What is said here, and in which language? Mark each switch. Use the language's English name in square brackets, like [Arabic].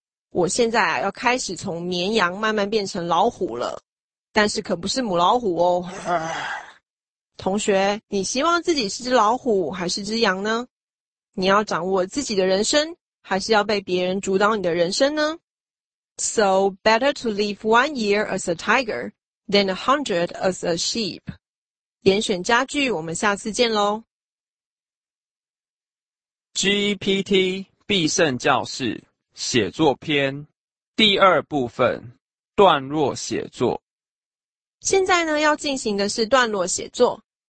[Chinese] 我现在啊，要开始从绵羊慢慢变成老虎了，但是可不是母老虎哦。同学，你希望自己是只老虎还是只羊呢？你要掌握自己的人生，还是要被别人主导你的人生呢？ [English] So, better to live 1 year as a tiger than 100 as a sheep. [Chinese] 严选家具，我们下次见咯。 GPT 必胜教室写作篇第二部分，段落写作。现在呢，要进行的是段落写作。